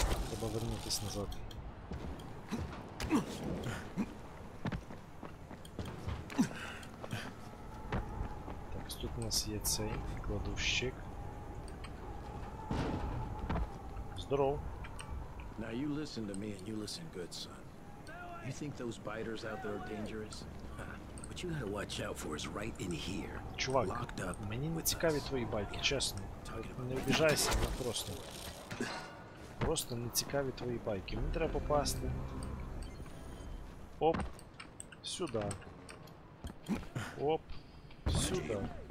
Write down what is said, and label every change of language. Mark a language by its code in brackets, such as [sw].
[uk] Треба вернутися назад. Так, тут у нас є цей кладовщик. Здоров. [en] Now you listen to me, and you listen good, son. You think those biters out there are dangerous? What you gotta watch out for is right in here. [uk] Чувак, [en] locked up. [uk] Мені не цікаві твої байки, чесно. Не обіжайся, але просто. Просто не цікаві твої байки. Мені треба попасти. Оп. Сюди. Оп. Сюди.